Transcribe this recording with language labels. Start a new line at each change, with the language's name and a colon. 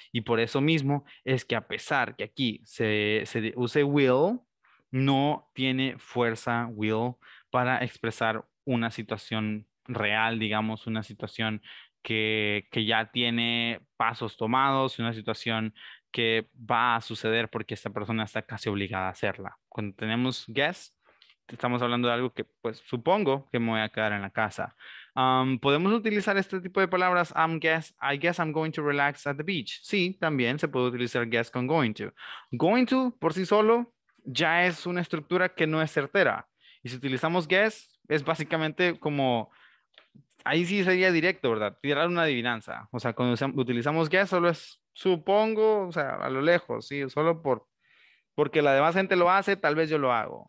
Spanish: Y por eso mismo es que a pesar que aquí se use will, no tiene fuerza will para expresar una situación real, digamos, una situación que ya tiene pasos tomados, una situación que va a suceder porque esta persona está casi obligada a hacerla. Cuando tenemos guess, estamos hablando de algo que, pues, supongo que me voy a quedar en la casa. ¿Podemos utilizar este tipo de palabras?
English: I guess I'm going to relax at the beach.
Spanish: Sí, también se puede utilizar guess con going to. Going to, por sí solo, ya es una estructura que no es certera. Y si utilizamos guess, es básicamente como ahí sí sería directo, ¿verdad? Tirar una adivinanza. O sea, cuando utilizamos guess, solo es supongo, o sea, a lo lejos, sí, solo por, porque la demás gente lo hace, tal vez yo lo hago.